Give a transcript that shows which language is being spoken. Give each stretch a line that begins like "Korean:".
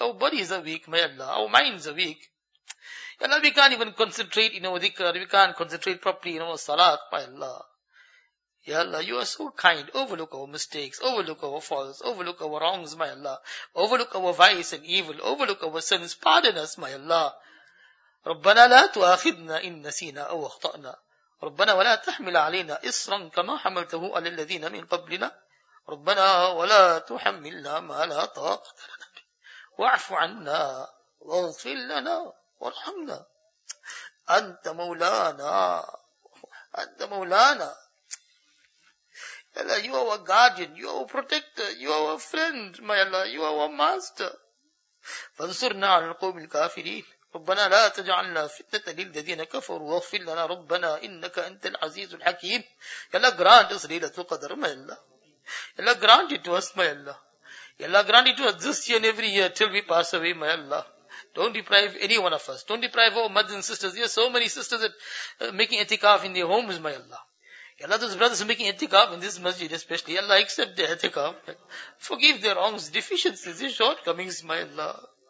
English: Our bodies are weak, my Allah. Our minds are weak. Ya Allah, we can't even concentrate in our dhikr. We can't concentrate properly in our salat, my Allah. Ya Allah, you are so kind. Overlook our mistakes. Overlook our faults. Overlook our wrongs, my Allah. Overlook our vice and evil. Overlook our sins. Pardon us, my Allah.
Arabic: رَبَّنَا لَا تُؤَاخِذْنَا إِن نَسِيْنَا أَوْ أَخْطَأْنَا رَبَّنَا وَلَا تَحْمِلْ عَلَيْنَا إِصْرًا كَمَا حَمَلْتَهُ عَلَى الَّذِينَ مِنْ قَبْلِنَا ربنا ولا تحملنا ما لا طاقة لنا به واعف عنا واغفر لنا وارحمنا أنت مولانا أنت مولانا
English: يا الله you are our guardian you are our protector you are our friend my Allah you are our master
Arabic: فانصرنا على القوم الكافرين ربنا لا تجعلنا فتنة للذين كفروا واغفر لنا ربنا إنك أنت العزيز الحكيم
English: يا الله grant us ليلة القدر my Allah Ya Allah, grant it to us, my Allah. Ya Allah, grant it to us this year and every year till we pass away, my Allah. Don't deprive any one of us. Don't deprive our mothers and sisters. There are so many sisters that are making itikaf in their homes, my Allah. Ya Allah, those brothers are making itikaf in this masjid especially. Ya Allah, accept their itikaf. Forgive their wrongs, deficiencies, their shortcomings, my Allah.